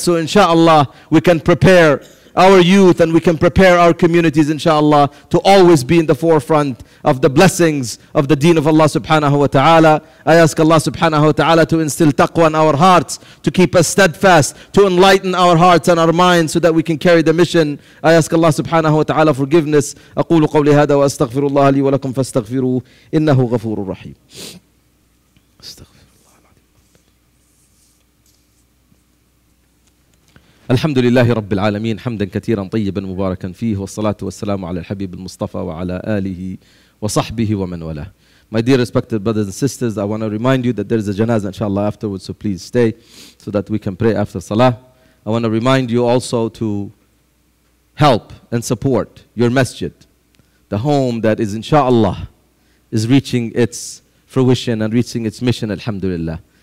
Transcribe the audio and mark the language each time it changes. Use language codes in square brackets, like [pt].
[en] So, inshallah, we can prepare our youth and we can prepare our communities, inshallah, to always be in the forefront of the blessings of the deen of Allah subhanahu wa ta'ala. I ask Allah subhanahu wa ta'ala to instill taqwa in our hearts, to keep us steadfast, to enlighten our hearts and our minds so that we can carry the mission. I ask Allah subhanahu wa ta'ala forgiveness. [ar] أقول قولي هذا وأستغفر الله لي ولكم فاستغفروه إنه غفور رحيم. الحمد لله رب العالمين حمدا كثيرا طيبا مباركا فيه والصلاة والسلام على الحبيب المصطفى وعلى آله وصحبه ومن والاه. [en] My dear respected brothers and sisters, I want to remind you that there is a janazah inshallah afterwards, so please stay so that we can pray after salah. I want to remind you also to help and support your masjid, the home that is inshallah is reaching its fruition and reaching its mission, alhamdulillah.